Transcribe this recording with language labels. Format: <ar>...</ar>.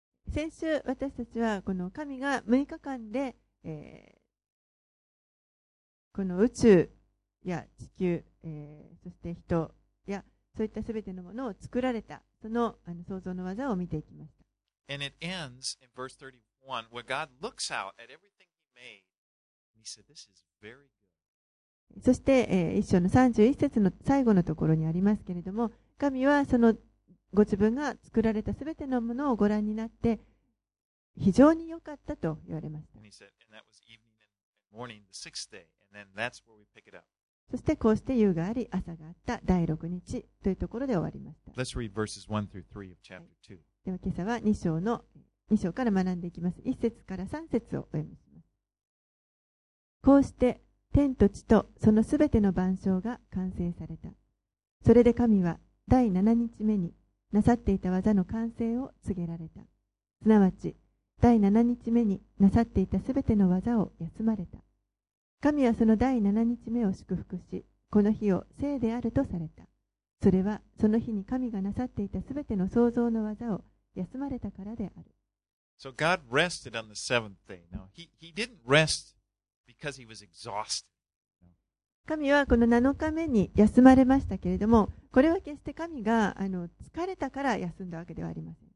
<ja>先週私たちはこの神が6日間で、この宇宙や地球、そして人やそういったすべてのものを作られた、その、創造の技を見ていきました。</ja> <en>And it ends in verse 31, where God looks out at everything he made, and he said, this is very good.</en> <ja>そして、一章の31節の最後のところにありますけれども、神はそのご自分が作られたすべてのものをご覧になって、非常に良かったと言われました。</ja> <en>And he said, and that was evening and morning, the sixth day. And then that's where we pick it up.</en> <ja>そしてこうして夕があり朝があった第6日というところで終わりました。</ja> <en>Let's read verses 1 through 3 of chapter 2.</en> <ja>では今朝は2章から学んでいきます。1節から3節をお読みします。こうして天と地とそのすべての万象が完成された。それで神は第7日目になさっていた技の完成を告げられた。すなわち第7日目になさっていたすべての技を休まれた。神はその第7日目を祝福し、この日を聖であるとされた。それはその日に神がなさっていたすべての創造の技を休まれたからである。</ja> <en>So God rested on the seventh day. Now he didn't rest because he was exhausted.</en> <ja>神はこの7日目に休まれましたけれども、これは決して神が疲れたから休んだわけではありません。</ja>